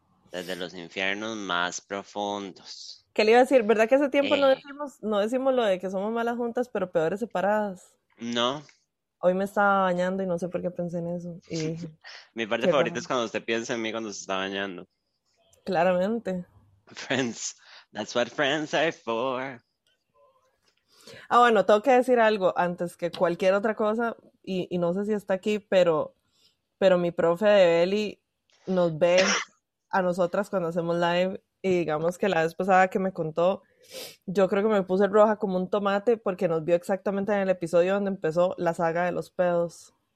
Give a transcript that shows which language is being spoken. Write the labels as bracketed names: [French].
[Spanish] Desde los infiernos más profundos. ¿Qué le iba a decir? ¿Verdad que hace tiempo no decimos lo de que somos malas juntas, pero peores separadas? No. Hoy me estaba bañando y no sé por qué pensé en eso y dije, Mi parte qué favorita raro. es cuando usted piensa en mí cuando se está bañando. Claramente. [English] Friends, that's what friends are for. [Spanish] Ah, bueno, tengo que decir algo antes que cualquier otra cosa, y no sé si está aquí, pero mi profe de Beli nos ve a nosotras cuando hacemos live, y digamos que la vez pasada que me contó, yo creo que me puse roja como un tomate porque nos vio exactamente en el episodio donde empezó la saga de los pedos.